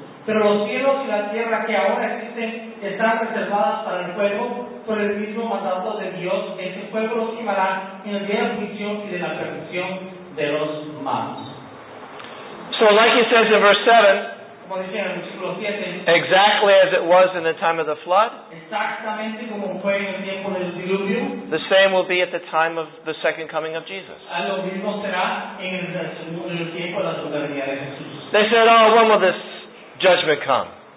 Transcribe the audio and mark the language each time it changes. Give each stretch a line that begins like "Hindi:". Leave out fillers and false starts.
Spanish: Pero los cielos y la tierra que ahora existen están reservadas para el fuego por el mismo mandato de Dios. Ese fuego los quemará en el día de la punición y de la perfección de los malos.
English: So like he says in verse 7,
Spanish: como dice en el versículo 7,
English: exactly as it was in the time of the flood,
Spanish: exactamente como fue en el tiempo del diluvio,
English: the same will be at the time of the second coming of Jesus.
Spanish: A lo mismo será en el tiempo de la segunda venida de Jesús.
English: They said, oh, when will this judgment come?